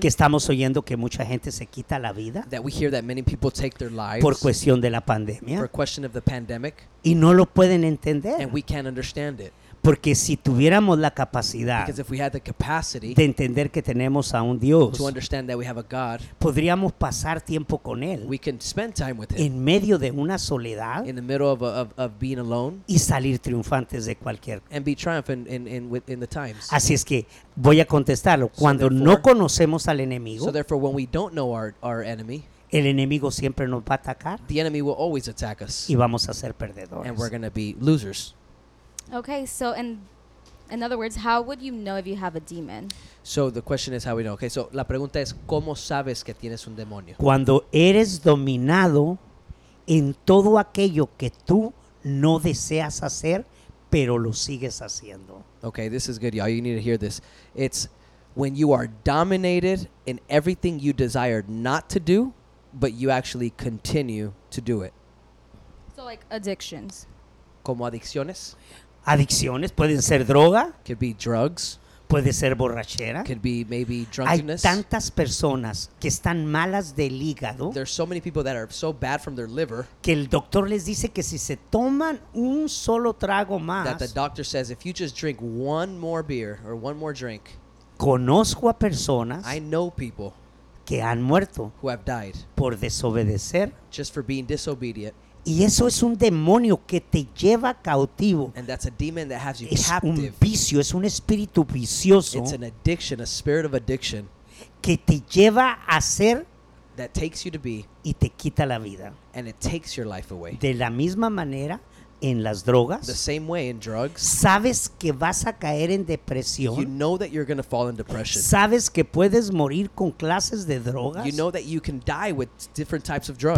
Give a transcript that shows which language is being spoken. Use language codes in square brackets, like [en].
[es] Que estamos oyendo que mucha gente se quita la vida. [en] That we hear that many people take their lives. [es] Por cuestión de la pandemia. [en] For question of the pandemic. [es] Y no lo pueden entender. [en] And we can't understand it. [es] Porque si tuviéramos la capacidad [en] because if we had the capacity [es] de entender que tenemos a un Dios, [en] to understand that we have a God, [es] podríamos pasar tiempo con Él, [en] we can spend time with Him, [es] en medio de una soledad, [en] in the middle of, a, of, of being alone, [es] y salir triunfantes de cualquier [en] cosa. And be triumphant in the times. [es] Así es que voy a contestarlo. Cuando no conocemos al enemigo, [en] so therefore when we don't know our enemy, [es] el enemigo siempre nos va a atacar. [en] The enemy will always attack us. [es] Y vamos a ser perdedores. [en] And we're going to be losers. Okay, so in other words, how would you know if you have a demon? So the question is how we know. [es] Okay, so la pregunta es ¿cómo sabes que tienes un demonio? Cuando eres dominado en todo aquello que tú no deseas hacer, pero lo sigues haciendo. [en] Okay, this is good, y'all. You need to hear this. It's when you are dominated in everything you desire not to do, but you actually continue to do it. So like addictions. [es] Como adicciones. Adicciones pueden ser droga. [en] Could be drugs. [es] Puede ser borrachera. [en] Could be maybe drunkenness. [es] Hay tantas personas que están malas del hígado. [en] There's so many people that are so bad from their liver. [es] Que el doctor les dice que si se toman un solo trago más. [en] That the doctor says if you just drink one more beer or one more drink. [es] Conozco a personas. [en] I know people. [es] Que han muerto. [en] Who have died. [es] Por desobedecer. [en] Just for being disobedient. [es] Y eso es un demonio que te lleva cautivo. [en] And that's a demon that has you [es] es [en] captive. [es] Un vicio, es un espíritu vicioso. [en] It's an addiction, a spirit of addiction. [es] Que te lleva a ser. [en] That takes you to be. [es] Y te quita la vida. [en] And it takes your life away. [es] De la misma manera en las drogas. [en] The same way in drugs. [es] Sabes que vas a caer en depresión. [en] You know that you're going to fall in depression. [es] Sabes que puedes morir con clases de drogas. [en] You know that you can die with different types of drugs.